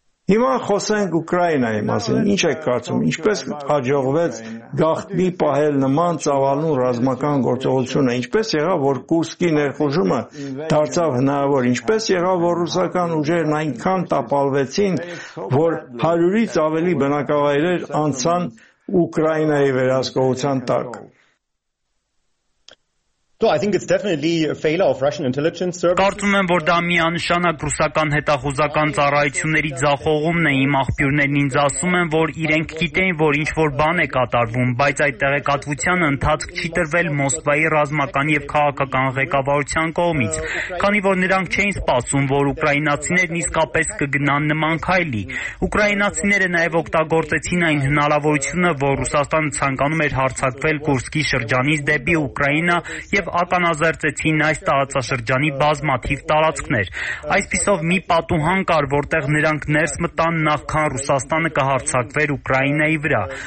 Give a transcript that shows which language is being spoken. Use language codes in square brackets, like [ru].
[hy] Հիմա խոսենք Ուկրաինայի մասին։ Ինչ եք կարծում, ինչպես հաջողվեց գաղտնի պահել նման ծավալուն ռազմական գործողությունը, ինչպես եղավ, որ Կուրսկի ներխուժումը դարձավ հնարավոր, ինչպես եղավ, որ ռուսական ուժերն այնքան տապալվեցին, որ 100-ից ավելի բնակավայրեր անցան Ուկրաինայի վերահսկողության տակ։ [en] So I think it's definitely a failure of Russian intelligence services. [hy] Կարծում եմ, որ դա միանշանակ ռուսական հետախուզական ծառայությունների ձախողումն է։ Իմ աղբյուրներն ինձ ասում են, որ իրենք գիտեն, որ ինչ-որ բան է կատարվում, բայց այդ տեղեկատվության ընթացք չի տրվել Մոսկվայի ռազմական եւ քաղաքական ղեկավարության կողմից, քանի որ նրանք չեն սպասում, որ ուկրաինացիներն իսկապես կգնան նման քայլի։ Ուկրաինացիները նաեւ օգտագործեցին այն հնարավորությունը, որ Ռուսաստանը ցանկանում էր հարձակվել Կուրսկի շրջանից դեպի Ուկրաինա և ականազերծեցին այս տարածաշրջանի բազմաթիվ տարածքներ։ Այսպիսով մի պատուհան կար, որտեղ նրանք ներս մտան նախքան Ռուսաստանը կհարձակվեր Ուկրաինայի վրա։